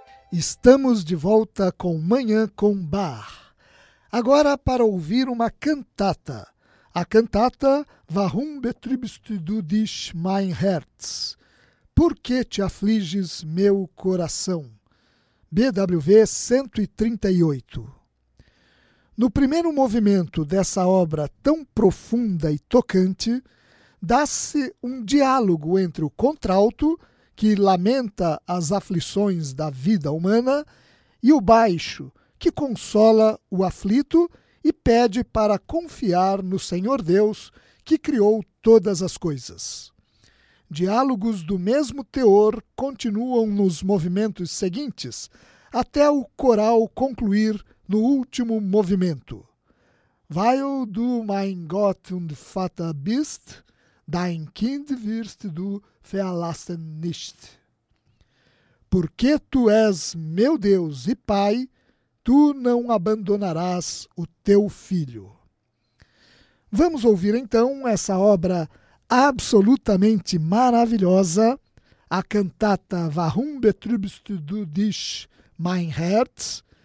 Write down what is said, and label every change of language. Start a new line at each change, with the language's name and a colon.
Portuguese: Estamos de volta com Manhã com Bar. Agora para ouvir uma cantata. A cantata
German: Warum betrübst du dich mein Herz?
Portuguese: Por que te afliges meu coração? BWV 138. No primeiro movimento dessa obra tão profunda e tocante, dá-se um diálogo entre o contralto, que lamenta as aflições da vida humana, e o baixo, que consola o aflito e pede para confiar no Senhor Deus, que criou todas as coisas. Diálogos do mesmo teor continuam nos movimentos seguintes, até o coral concluir no último movimento.
German: Weil du mein Gott und Vater bist, dein Kind wirst du verlassen nicht.
Portuguese: Porque tu és meu Deus e Pai, tu não abandonarás o teu filho. Vamos ouvir então essa obra absolutamente maravilhosa, a cantata
German: Warum betrübst du dich mein Herz?